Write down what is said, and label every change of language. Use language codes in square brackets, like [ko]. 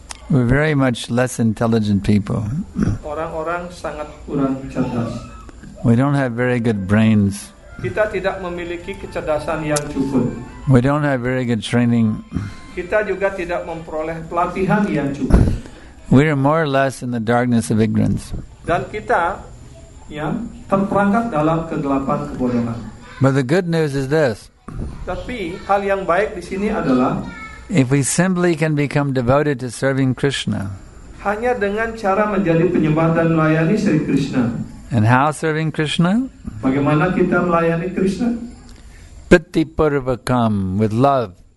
[en] We're very much less intelligent people. [id] Orang-orang sangat kurang cerdas. [en] We don't have very good brains. [id] Kita tidak memiliki kecerdasan yang cukup. [en] We don't have very good training. [id] Kita juga tidak memperoleh pelatihan yang cukup. [en] We are more or less in the darkness of ignorance. [id] Dan kita yang terperangkap dalam kegelapan kebodohan. [en] But the good news is this. [id] Tapi hal yang baik di sini adalah, [en] if we simply can become devoted to serving Krishna. [id] Hanya dengan cara menjadi penyembah dan melayani Sri Krishna. [en] And how serving Krishna? [id] Bagaimana kita melayani Krishna? [en] Pratipurvakam, with love.